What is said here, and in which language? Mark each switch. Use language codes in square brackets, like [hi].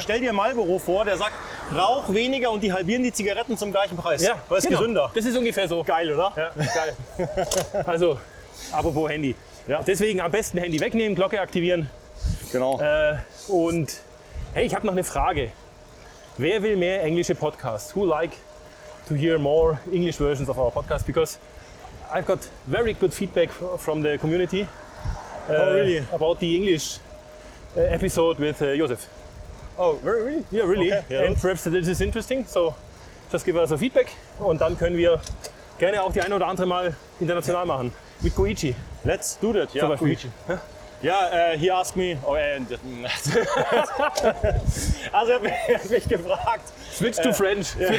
[de] Stell dir Marlboro vor, der sagt, rauch weniger und die halbieren die Zigaretten zum gleichen Preis. Ja, weil es genau. Gesünder. Das ist ungefähr so. Geil, oder? Ja, geil. Also, apropos Handy. Ja. Deswegen am besten Handy wegnehmen, Glocke aktivieren. Genau. Und hey, ich habe noch eine Frage. Wer will mehr englische Podcasts? [en] Who like to hear more English versions of our podcast? Because I've got very good feedback from the community. Oh, really? About the English episode with Josef. Oh, really? Yeah, really. Okay, yeah. And perhaps this is interesting. So just give us a feedback [de] und dann können wir gerne auch die ein oder andere mal international machen. Mit Koichi. [en] Let's do that. [de] Zum Beispiel. Koichi. [en] Ja, he asked me, oh, and also [de] er hat mich gefragt. [en] Switch to French,